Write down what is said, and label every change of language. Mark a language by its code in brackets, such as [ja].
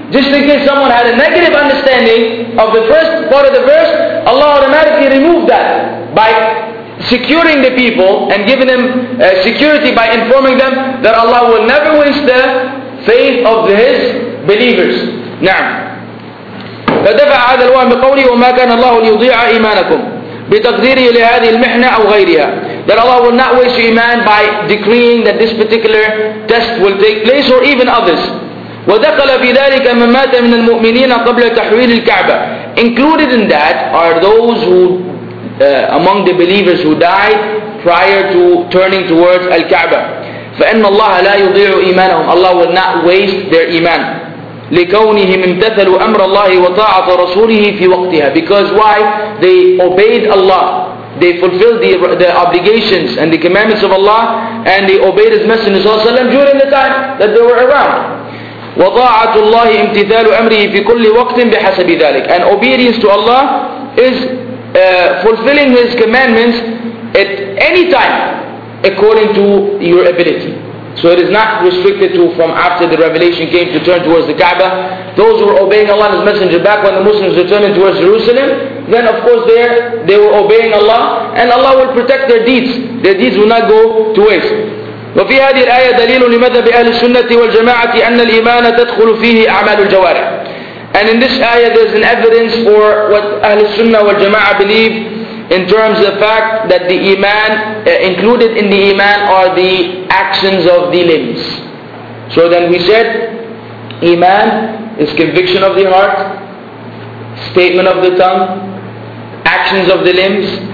[en] Just in case someone had a negative understanding of the first part of the verse, Allah automatically removed that by securing the people and giving them security by informing them that Allah will never waste the faith of His believers. Now, [ar] فدفع هذا الوهم بقوله وما كان الله ليضيع إيمانكم بتقديره لهذه المحنة أو غيرها. [en] That Allah will not waste your iman by decreeing that this particular test will take place or even others. [ar] ودخل في ذلك من مات من المؤمنين قبل تحويل الكعبة. [en] Included in that are those who among the believers who died prior to turning towards الكعبة. [ar] فإن الله لا يضيع إيمانهم. [en] Allah will not waste their iman. [ar] لكونهم امتثلوا أمر الله وطاعة رسوله في وقتها. [en] Because why? They obeyed Allah they fulfilled the obligations and the commandments of Allah, and they obeyed His Messenger during the time that they were around. [ar] وَضَاعَةُ اللَّهِ امْتِثَالُ أَمْرِهِ فِي كُلِّ وَقْتٍ بِحَسَبِ ذَلِكَ. [en] And obedience to Allah is fulfilling His commandments at any time according to your ability. So it is not restricted to from after the revelation came to turn towards the Kaaba. Those who were obeying Allah and His Messenger back when the Muslims returned towards Jerusalem, then of course they were obeying Allah, and Allah will protect their deeds. Their deeds will not go to waste. [ar] وفي هذه الآية دليل لمذهب أهل السنة والجماعة أن الإيمان تدخل فيه أعمال الجوارح. [en] And in this ayah there is an evidence for what Ahl Sunnah wal Jama'ah believe in terms of the fact that the iman, included in the iman are the actions of the limbs. So then we said iman is conviction of the heart, statement of the tongue, actions of the limbs.